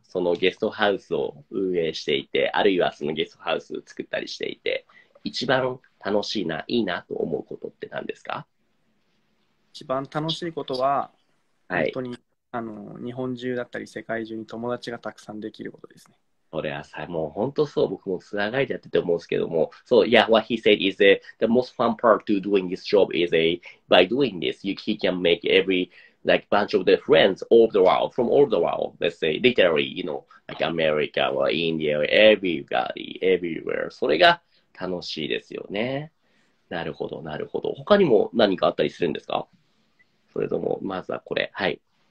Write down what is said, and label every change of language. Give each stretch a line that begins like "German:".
Japanese: そのゲストハウスを運営していて、あるいはそのゲストハウスを作ったりしていて、一番楽しいな、いいなと思うことって何ですか？一番楽しいことは、本当に、はい、日本中だったり世界中に友達がたくさんできることですね。それはさ、もう本当そう、僕もつながりでやってて思うんですけども、そう、
English: yeah, what he said is that the most fun part to doing this job is a, by doing this, you, he can make every, like, bunch of the friends all the world, from all the world, let's say, literally, you know, like America or India or everybody, everywhere.
Japanese: それが楽しいですよね。なるほど、なるほど。他にも何かあったりするんですか？それとも、まずはこれ、はい。